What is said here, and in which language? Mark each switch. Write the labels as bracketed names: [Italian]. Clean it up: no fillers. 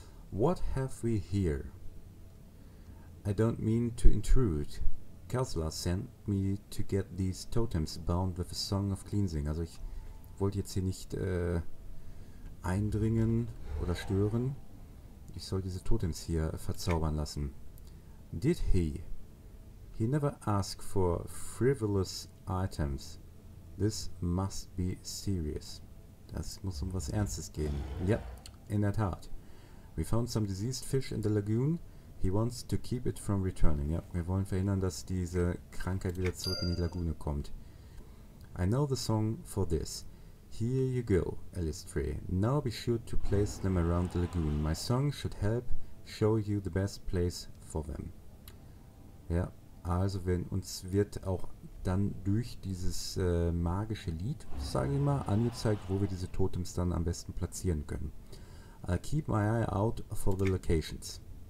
[English] What have we here? I don't mean to intrude. K Kessler sent me to get these totems bound with a song of cleansing. [German] Also ich wollte jetzt hier nicht eindringen oder stören. Ich soll diese Totems hier verzaubern lassen. [English] Did he? He never asked for frivolous items. This must be serious. [German] Das muss um was Ernstes gehen. Yep, in der Tat. [English] We found some diseased fish in the lagoon. He wants to keep it from returning. [German] Yep, wir wollen verhindern, dass diese Krankheit wieder zurück in die Lagune kommt. [English] I know the song for this. Here you go, Alistair. Now be sure to place them around the lagoon. My song should help show you the best place for them. [German] Ja, also wenn uns wird auch dann durch dieses magische Lied, sage ich mal, angezeigt, wo wir diese Totems dann am besten platzieren können. [English] I'll keep my eye out for the locations.